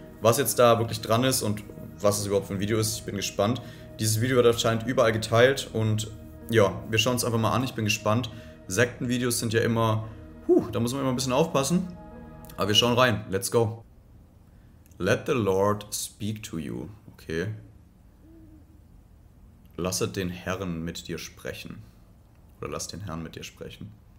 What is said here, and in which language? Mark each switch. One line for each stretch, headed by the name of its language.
German: Was jetzt da wirklich dran ist und was es überhaupt für ein Video ist, ich bin gespannt. Dieses Video wird anscheinend überall geteilt und ja, wir schauen es einfach mal an. Ich bin gespannt. Sektenvideos sind ja immer, da muss man immer ein bisschen aufpassen. Aber wir schauen rein.
English: Let's go. Let the Lord speak to you. Okay.
German: Lasse den Herrn mit dir sprechen. Oder lass den Herrn mit dir sprechen.